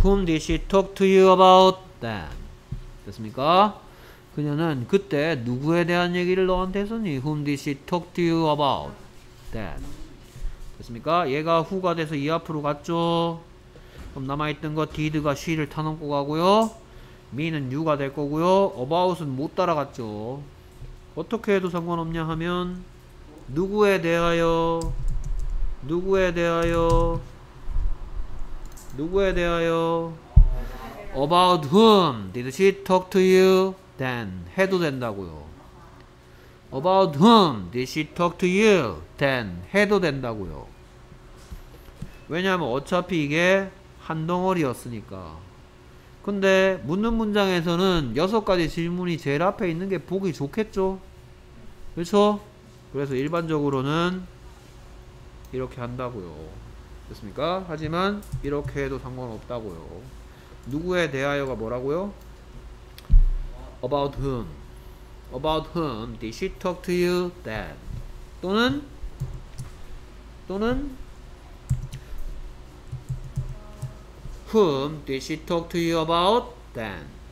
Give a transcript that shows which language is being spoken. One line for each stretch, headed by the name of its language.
English: Whom did she talk to you about then?
Korean: 됐습니까? 그녀는 그때 누구에 대한 얘기를 너한테 했었니?
English: Whom did she talk to you about then?
Korean: 됐습니까? 얘가 who가 돼서 이 앞으로 갔죠. 그럼 남아있던 거 did가 she를 타넘고 가고요. me는 you가 될 거고요. about은 못 따라갔죠. 어떻게 해도 상관없냐 하면 누구에 대하여 누구에 대하여 누구에 대하여?
English: About whom did she talk to you then?
Korean: 해도 된다고요.
English: About whom did she talk to you then?
Korean: 해도 된다고요. 왜냐하면 어차피 이게 한 덩어리였으니까. 근데 묻는 문장에서는 여섯 가지 질문이 제일 앞에 있는 게 보기 좋겠죠? 그렇죠? 그래서 일반적으로는 이렇게 한다고요. 됐습니까? 하지만 이렇게 해도 상관없다고요. 누구에 대하여가 뭐라고요?
English: About whom? About whom did she talk to you then?
Korean: 또는 또는
English: whom did she talk to you about then?